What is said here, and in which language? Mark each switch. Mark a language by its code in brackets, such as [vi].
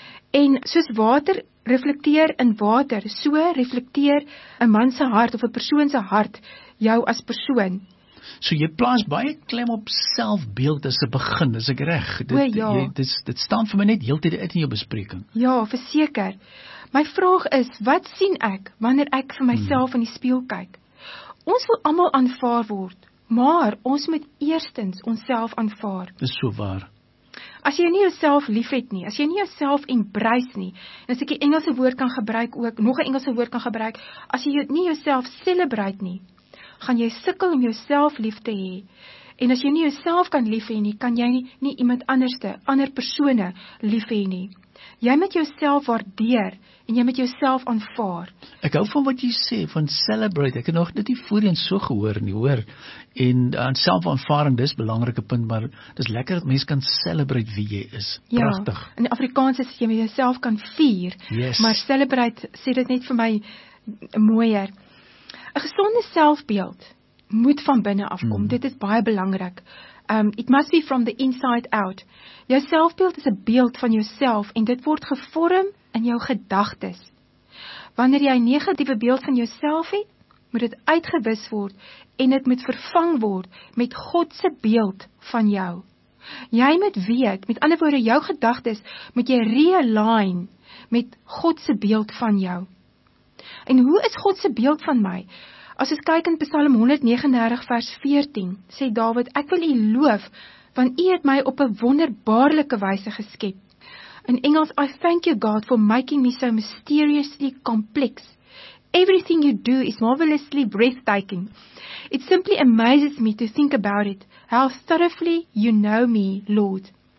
[af] En soos water reflekteer in water, so reflekteer 'n man se hart of 'n persoon se hart jou as persoon. So jy plaas baie klem op selfbeeld as 'n begin, as ek reg. Dit staan vir my net heeltyd uit in jou bespreking. Ja, verseker. My vraag is, wat sien ek wanneer ek vir myself in die spieël kyk? Ons wil almal aanvaar word, maar ons moet eerstens onsself aanvaar. Dis so waar. As jy nie jouself liefhet nie, as jy nie jouself embrace nie, en as ek 'n Engelse woord kan gebruik ook, nog 'n Engelse woord kan gebruik, as jy nie jouself celebrate nie, gaan jy sukkel om jouself lief te hê. En as jy nie jouself kan lief hê nie, kan jy nie iemand anderste, ander persone lief hê nie. Jy moet jouself waardeer en jy moet jouself aanvaar. Ek hou van wat jy sê van celebrate. Ek het nog dit nie voorheen so gehoor nie, hoor. En dan selfaanvaaring, dis 'n belangrike punt, maar dis lekker dat mense kan celebrate wie jy is. Pragtig. Ja, in Afrikaans is jy met jouself kan vier, [en] yes. [af] Maar celebrate sê dit net vir my mooier. 'N Gesonde selfbeeld moet van binne afkom. Mm. Dit is baie belangrik. [en] It must be from the inside out. [af] Jou selfbeeld is 'n beeld van jouself en dit word gevorm in jou gedagtes. Wanneer jy 'n negatiewe beeld van jouself het, moet dit uitgewis word en dit moet vervang word met God se beeld van jou. Jy moet weet, met ander woorde, jou gedagtes moet jy realign met God se beeld van jou. En hoe is God se beeld van my? As ons kyk in Psalm 139 vers 14, sê Dawid, ek wil U loof, want U het my op 'n wonderbaarlike wyse geskep. In Engels, [en] I thank you, God, for making me so mysteriously complex. Everything you do is marvelously breathtaking. It simply amazes me to think about it, how thoroughly you know me, Lord.